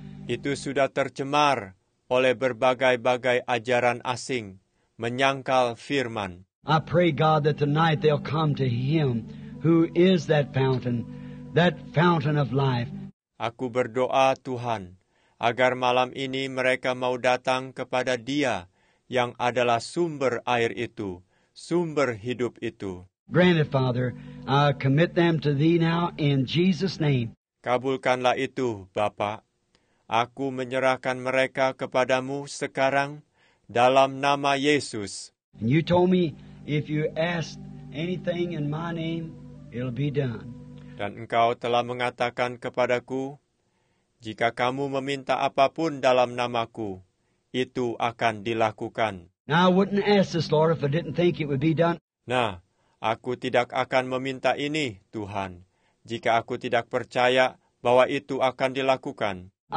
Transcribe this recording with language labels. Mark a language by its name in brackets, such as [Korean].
[Indonesian] Itu sudah tercemar oleh berbagai-bagai ajaran asing menyangkal firman. [English] I pray God that tonight they'll come to him who is that fountain. That fountain of life. [Indonesian] Aku berdoa, Tuhan, agar malam ini mereka mau datang kepada Dia yang adalah sumber air itu, sumber hidup itu. [English] Granted, Father, I commit them to Thee now in Jesus' name. [Indonesian] Kabulkanlah itu, Bapa. Aku menyerahkan mereka kepadamu sekarang dalam nama Yesus. [English] And you told me if you ask anything in my name, it'll be done. [Indonesian] Dan Engkau telah mengatakan kepadaku, jika kamu meminta apapun dalam namaku, itu akan dilakukan. [English] Now, I wouldn't ask this, Lord, if I didn't think it would be done. [Indonesian] Nah, aku tidak akan meminta ini, Tuhan, jika aku tidak percaya bahwa itu akan dilakukan.